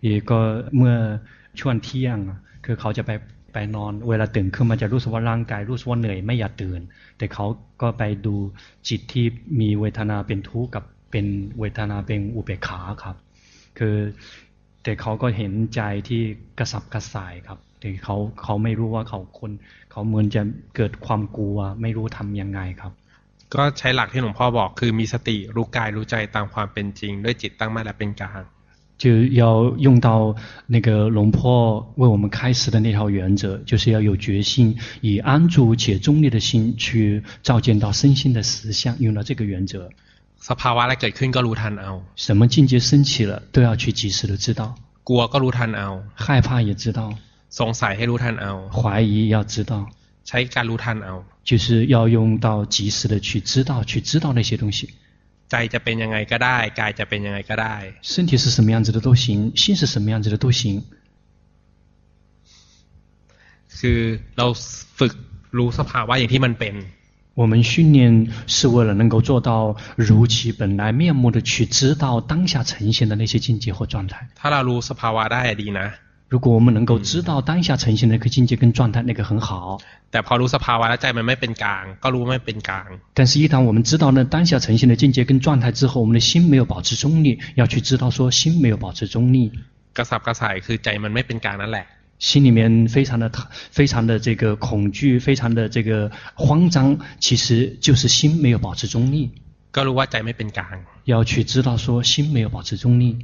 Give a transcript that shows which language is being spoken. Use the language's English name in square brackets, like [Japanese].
[Thai] ก็เมื่อช่วงเที่ยงคือเขาจะไปนอนเวลาตื่นขึ้นมาจะรู้สึกว่าร่างกายรู้สึกว่าเหนื่อยไม่อยากตื่นแต่เขาก็ไปดูจิตที่มีเวทนาเป็นทุกข์กับเป็นเวทนาเป็นอุเบกขาครับคือแต่เขาก็เห็นใจที่กระสับกระส่ายครับแต่เขาไม่รู้ว่าเขาเหมือนจะเกิดความกลัวไม่รู้ทำยังไงครับ ก็ใช้หลักที่หลวงพ่อบอกคือมีสติรู้กายรู้ใจตามความเป็นจริงด้วยจิตตั้งมั่นและเป็นกลาง [Chinese] คือ要用到那个龙婆为我们开始的那条原则，就是要有决心，以安住且中立的心去照见到身心的实相，用到这个原则。 [Thai] สภาวะอะไรเกิดขึ้นก็รู้ทันเอา [Chinese] 什么境界升起了都要去及时的知道 [Thai] กลัวก็รู้ทันเอา [Chinese] 害怕也知道 [Thai] สงสัยให้รู้ทันเอา [Chinese] 怀疑要知道 [Thai] ใช้การรู้ทันเอา [Chinese] 就是要用到及时的去知道那些东西 [Thai] ใจจะเป็นยังไงก็ได้กายจะเป็นยังไงก็ได้ [Chinese] 身体是什么样子的都行心是什么样子的都行 [Thai] คือเราฝึกรู้สภาวะอย่างที่มันเป็น [Chinese] 我们训练是为了能够做到如其本来面目的去知道当下呈现的那些境界或状态。 [Thai] ถ้าเรารู้สภาวะได้ดีนะ [Chinese] 如果我们能够知道当下呈现的那个境界跟状态，那个很好。 [Thai] แต่พอรู้สภาวะแล้วใจมันไม่เป็นกลางก็รู้ไม่เป็นกลาง。 [Chinese] 但是一旦我们知道那当下呈现的境界跟状态之后，我们的心没有保持中立，要去知道说心没有保持中立。 [Thai] กระสับกระส่ายคือใจมันไม่เป็นกลางนั่นแหละ [Chinese] 心里面非常的这个恐惧，非常的这个慌张，其实就是心没有保持中立。 [Thai] ก็รู้ว่าใจไม่เป็นกลาง。 [Chinese] 要去知道说心没有保持中立。